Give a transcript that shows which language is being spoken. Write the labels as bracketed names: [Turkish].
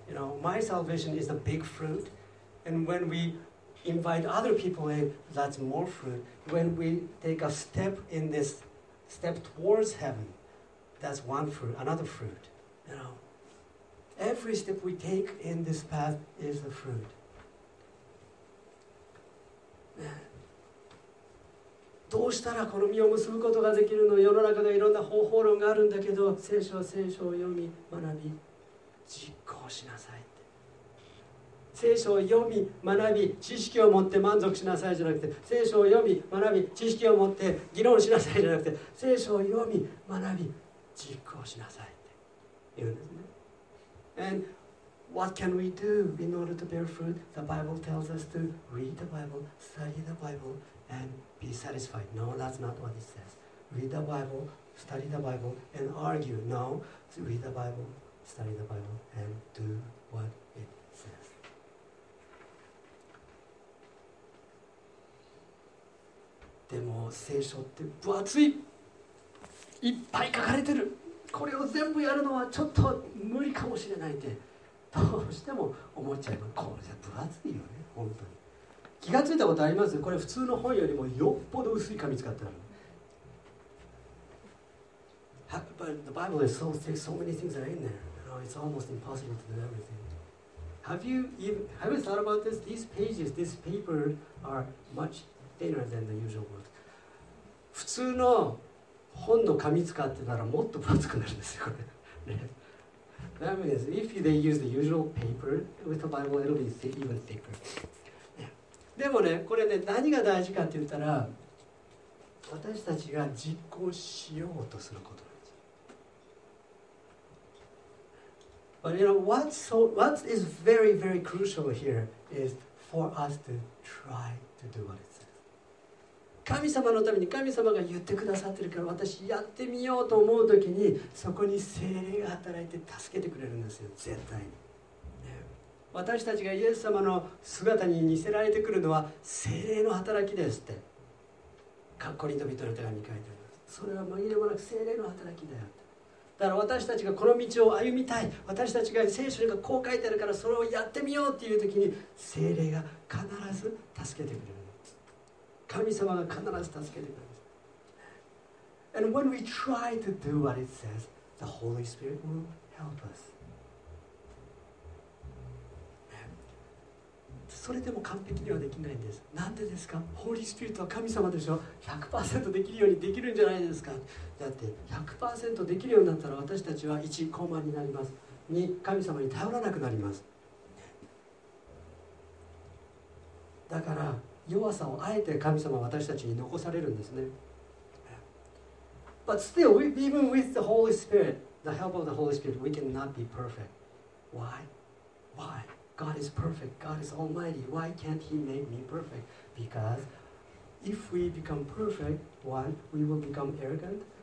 [English] You know, my salvation is the big fruit. And when we invite other people in, that's more fruit. When we take a step in this step towards heaven, that's one fruit, another fruit. You know, every step we take in this path is a fruit. [Japanese] どうしたらこの実を結ぶことができるの？世の中でいろんな方法論があるんだけど、聖書は聖書を読み、学び、実行しなさいって。聖書を読み、学び、知識を持って満足しなさいじゃなくて、聖書を読み、学び、知識を持って議論しなさいじゃなくて、聖書を読み、学び、実行しなさいって言うんですね。 [English] And what can we do in order to bear fruit? The Bible tells us to read the Bible, study the Bible,and be satisfied. No, that's not what it says. Read the Bible, study the Bible, and argue. No, read the Bible, study the Bible, and do what it says. [Japanese] でも聖書って分厚い。いっぱい書かれてる。これを全部やるのはちょっと無理かもしれないってどうしても思っちゃいます。これじゃ分厚いよね、本当に。気がついたことあります？これ普通の本よりもよっぽど薄い紙使ってる。 [English] But the Bible is so thick, so many things are in there. You know, it's almost impossible to do everything. Have you thought about this? These pages, this paper are much thinner than the usual book. [Japanese] 普通の本の紙使ってたらもっと分厚くなるんですよ、これ。 [English] That means if they use the usual paper with the Bible, it'll be even thicker. [Japanese] でもね、これね、何が大事かって言ったら、私たちが実行しようとすることなんです。 [English] But you know, what is very, very crucial here is for us to try to do what it says. [Japanese] 神様のために、神様が言ってくださってるから、私やってみようと思うときに、そこに聖霊が働いて助けてくれるんですよ、絶対に。私たちがイエス様の姿に似せられてくるのは聖霊の働きですって。カッコリント人の手紙に書いてあります。それは紛れもなく聖霊の働きだよって。だから私たちがこの道を歩みたい、私たちが聖書にこう書いてあるからそれをやってみようっていう時に聖霊が必ず助けてくれるんです。神様が必ず助けてくれるんです。 [English] And when we try to do what it says, the Holy Spirit will help us. [Japanese] それでも完璧にはできないんです。なんでですか？ホーリースピリットは神様でしょ？ 100% できるようにできるんじゃないですか？だって 100% できるようになったら私たちは1、高慢になります。 2、神様に頼らなくなります。だから弱さをあえて神様は私たちに残されるんですね。 [English] But still, even with the Holy Spirit, the help of the Holy Spirit, we cannot be perfect. Why? Why? God is perfect. God is almighty. Why can't he make me perfect? Because if we become perfect, one, we will become arrogant.